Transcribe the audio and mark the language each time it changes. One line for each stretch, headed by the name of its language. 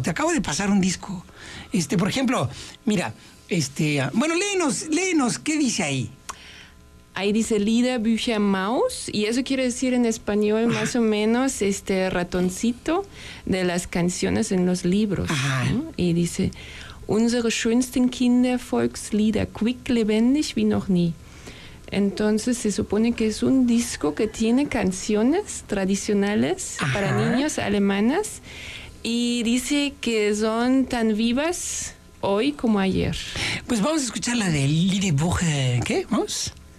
Spanish: Te acabo de pasar un disco. Por ejemplo, mira, bueno, léenos. ¿Qué dice ahí? Ahí dice Lida Bücher Maus, y eso quiere decir en español más o menos ratoncito de las canciones en los libros. Ajá. ¿No? Y dice...
German: Unsere schönsten Kindervolkslieder, quick, lebendig wie noch nie.
Spanish: Entonces se supone que es un disco que tiene canciones tradicionales. Ajá. Para niños alemanas, y dice que son tan vivas hoy como ayer. Pues vamos a escuchar la de Lieder Bücher, ¿qué? ¿Maus?